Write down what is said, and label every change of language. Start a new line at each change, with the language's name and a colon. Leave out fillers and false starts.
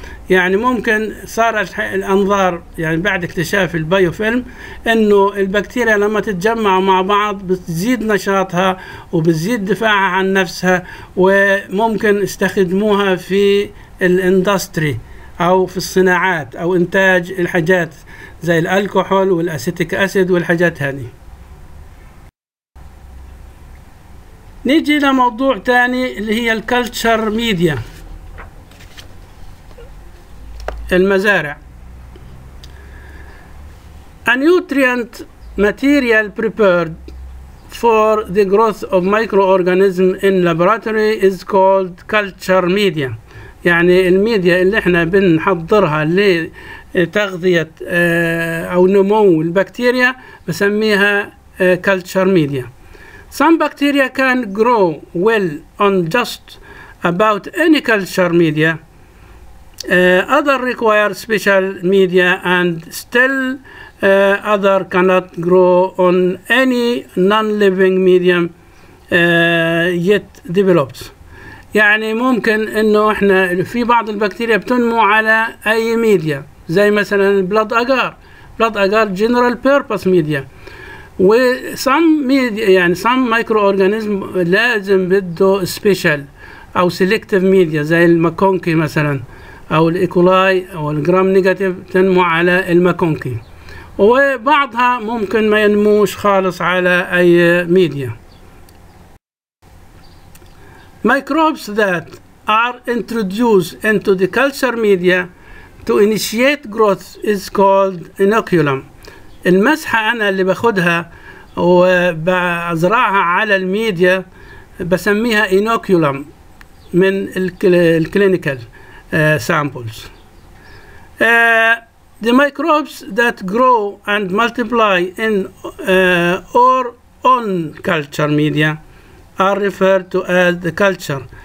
Arabic: يعني ممكن صار الأنظار يعني بعد اكتشاف البيوفيلم انه البكتيريا لما تتجمع مع بعض بتزيد نشاطها وبتزيد دفاعها عن نفسها وممكن استخدموها في الاندستري او في الصناعات او انتاج الحاجات زي الكحول والاسيتيك اسيد والحاجات هذه. نيجي لموضوع تاني اللي هي الكلتشر ميديا المزارع.
English: A nutrient material prepared for the growth of microorganisms in laboratory is called culture media.
Arabic: يعني الميديا اللي احنا بنحضرها لتغذية أو نمو البكتيريا بسميها culture media.
English: Some bacteria can grow well on just about any culture media. Other require special media and still other cannot grow on any non-living medium yet developed.
Arabic: يعني ممكن انه احنا في بعض البكتيريا بتنمو على اي ميديا زي مثلا البلاد اجار. بلاد اجار جنرال بيربس ميديا. وسم ميديا يعني سم مايكرو اورجانيزم لازم بده سبيشال او سيلكتيف ميديا زي الماكونكي مثلا او الايكولاي او الجرام نيجاتيف تنمو على الماكونكي. وبعضها ممكن ما ينموش خالص على اي ميديا.
English: Microbes that are introduced into the culture media to initiate growth is called inoculum.
Arabic: المسحة أنا اللي باخدها وبزرعها على الميديا بسميها inoculum من الكلينيكال samples.
English: The microbes that grow and multiply in or on culture media are referred to as the culture.